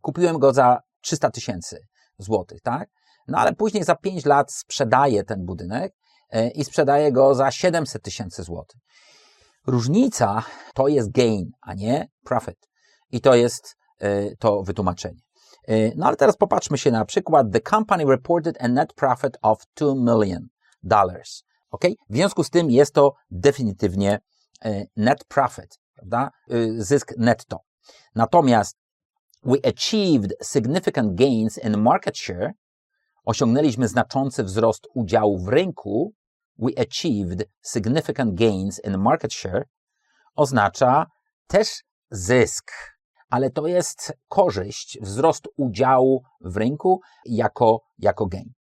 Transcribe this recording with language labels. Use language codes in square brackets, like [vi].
[pl] Kupiłem go za 300 tysięcy złotych, tak? No ale później za 5 lat sprzedaję ten budynek i sprzedaję go za 700 tysięcy złotych. Różnica to jest gain, a nie profit. I to jest to wytłumaczenie. No ale teraz popatrzmy się na przykład. [en] The company reported a net profit of $2 million. Ok? [pl] W związku z tym jest to definitywnie net profit, prawda? Zysk netto. [en] Natomiast we achieved significant gains in market share. [pl] Osiągnęliśmy znaczący wzrost udziału w rynku. [en] We achieved significant gains in market share. [pl] Oznacza też zysk. ale to jest korzyść, wzrost udziału w rynku jako gain.